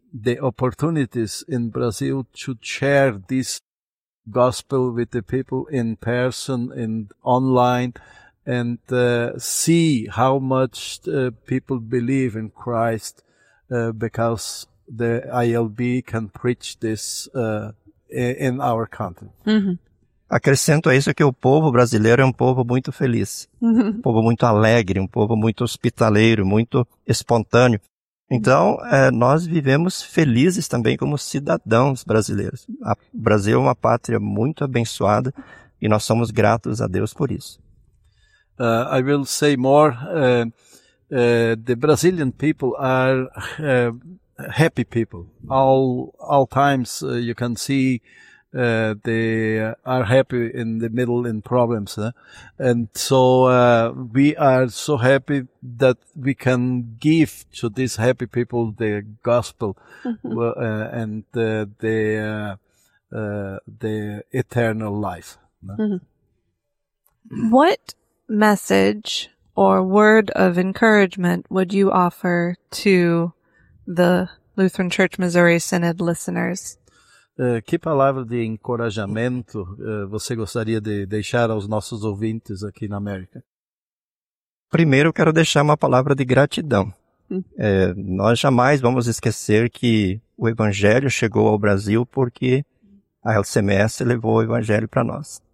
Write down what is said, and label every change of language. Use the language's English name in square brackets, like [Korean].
[English] the opportunities in Brazil to share this gospel with the people in person and online, and see how much people believe in Christ because the ILB can preach this in our country. Mm-hmm. [Portuguese] Acrescento a isso que o povo brasileiro é um povo muito feliz, uhum. Um povo muito alegre, um povo muito hospitaleiro, muito espontâneo. Então, nós vivemos felizes também como cidadãos brasileiros. O Brasil é uma pátria muito abençoada e nós somos gratos a Deus por isso. [English] I will say more. The Brazilian people are happy people. All times you can see they are happy in the middle in problems. And so we are so happy that we can give to these happy people the gospel and the eternal life. Mm-hmm. What message or word of encouragement would you offer to the Lutheran Church Missouri Synod listeners? [Portuguese] Que palavra de encorajamento você gostaria de deixar aos nossos ouvintes aqui na América? Primeiro, quero deixar uma palavra de gratidão. Nós jamais vamos esquecer que o Evangelho chegou ao Brasil porque a LCMS levou o Evangelho para nós.